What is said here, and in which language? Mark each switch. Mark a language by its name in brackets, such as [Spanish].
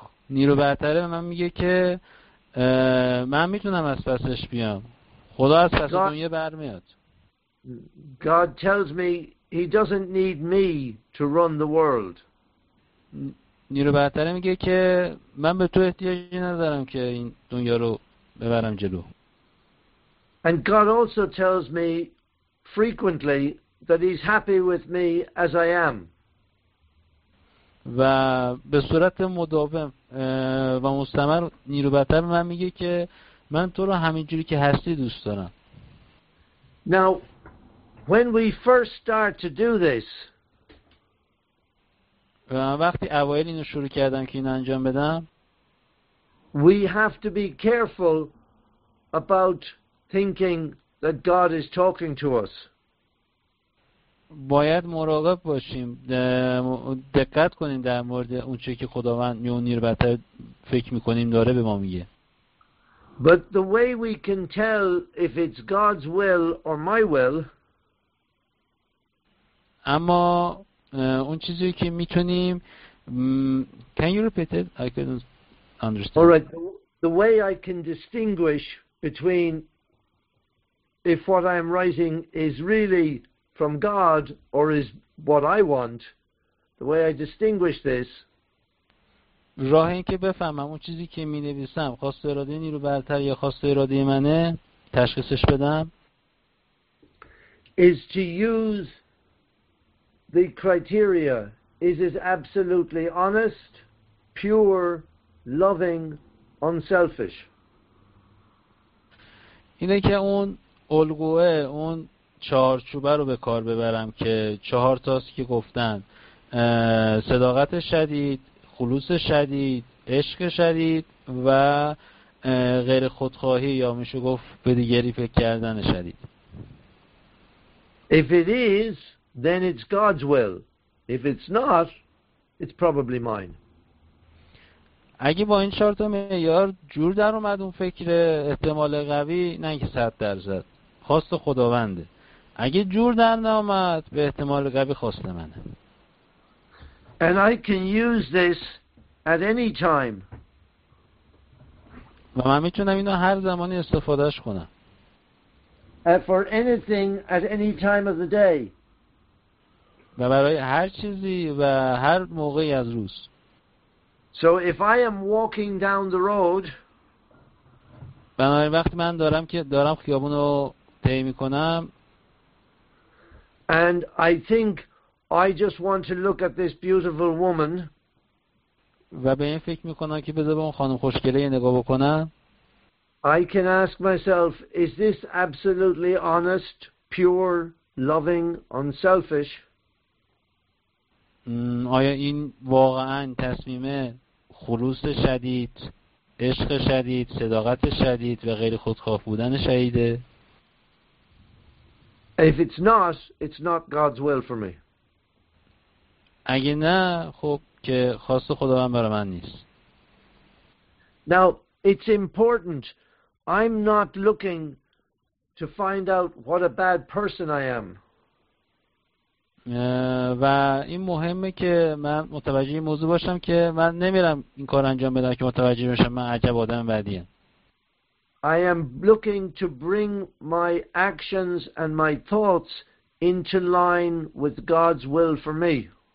[Persian] نیرو برتره من میگه که من میتونم از پسش بیام. خدا از پس دنیا برمیاد. [English] God tells me he doesn't need me to run the world. [Persian] نیرو برتره میگه که من به تو احتیاجی ندارم که این دنیا رو ببرم جلو. [English] And God also tells me frequently that he's happy with me as I am. [Persian] و به صورت مداوم و مستمر نیرو بتر من میگه که من تو رو همینجوری که هستی دوست دارم. [English] Now when we first start to do this, [Persian] وقتی اوایل اینو شروع کردم که این انجام بدم، [English] we have to be careful about thinking that God is talking to us. [Persian] باید مراقب باشیم، دقت کنیم در مورد اون چیزی که خداوند یا نیربتر فکر میکنیم داره به ما میگه. [English] But the way we can tell if it's God's will or my will, [Persian] اما اون چیزی که میتونیم [English] can you repeat it? I couldn't understand. All right. The way I can distinguish between if what I am writing is really from God or is what I want, the way I distinguish this. [Persian] راه این که بفهمم اون چیزی که می‌نویسم خواست اراده نیرو برتر یا خواست اراده منه تشخیصش بدم. [English] Is to use the criteria. Is it absolutely honest, pure, loving, unselfish? [Persian] اینه که اون الگوه اون چهارچوبه رو به کار ببرم که چهار تاست که گفتن صداقت شدید، خلوص شدید، عشق شدید و غیر خودخواهی یا میشه گفت به دیگری فکر کردن شدید. [English] If it is, then it's God's will. If it's not, it's probably mine. [Persian] اگه با این چهار تا معیار جور در اومد اون فکر احتمال قوی نه که 100%، خواست خداونده. اگه جور در نیامد به احتمال قوی خواست منه. [English] And I can use this at any time. [Persian] و من میتونم اینو هر زمانی استفادهش کنم. [English] For anything at any time of the day. [Persian] و برای هر چیزی و هر موقعی از روز. [English] So if I am walking down the road. [Persian] بنابراین وقتی من دارم که دارم خیابون رو طی میکنم. [English] And I think I just want to look at this beautiful woman. [Persian] و به این فکر میکنم که بذار به اون خانم خوشگله یه نگاه بکنم. [English] I can ask myself, is this absolutely honest, pure, loving, unselfish? [Persian] آیا این واقعا تصمیم خلوص شدید، عشق شدید، صداقت شدید و غیر خودخواه بودن شدیده؟ [English] If it's not God's will for me. [Persian] اگه نه خب که خواست خداوند برای من نیست. [English] Now it's important. I'm not looking to find out what a bad person I am. [Persian] و این مهمه که من متوجه این موضوع باشم که من نمیرم این کار انجام بدم که متوجه بشم من عجب آدم بدیم. [English] I am looking to bring my actions and my thoughts into line with God's will for me.